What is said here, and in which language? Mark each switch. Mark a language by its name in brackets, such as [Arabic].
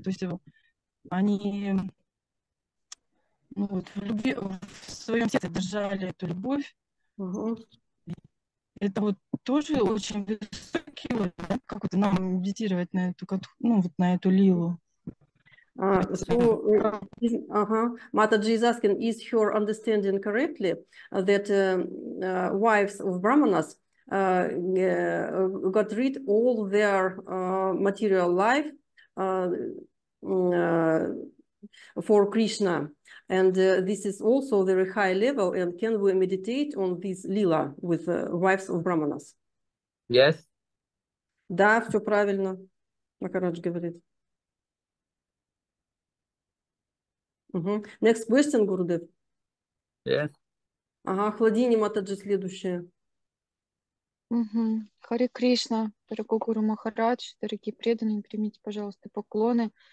[Russian] То есть они ну, вот, в своем сердце держали эту любовь. Это вот тоже очень высокий уровень, да? Как вот нам медитировать на эту, ну, вот на эту лилу. [English] Mataji is asking, is her understanding correctly that wives of Brahmanas got rid all their material life for Krishna? And this is also very high level, and can we meditate on this lila with wives of Brahmanas? Yes. [Russian] Да, все правильно, Макарадж говорит. [English] Next question, Гурудев. Yes. [Russian] Ага, Хладини Матаджи, следующее. Хари Кришна, дорогой Гуру Махарадж, дорогие преданные, примите, пожалуйста, поклоны.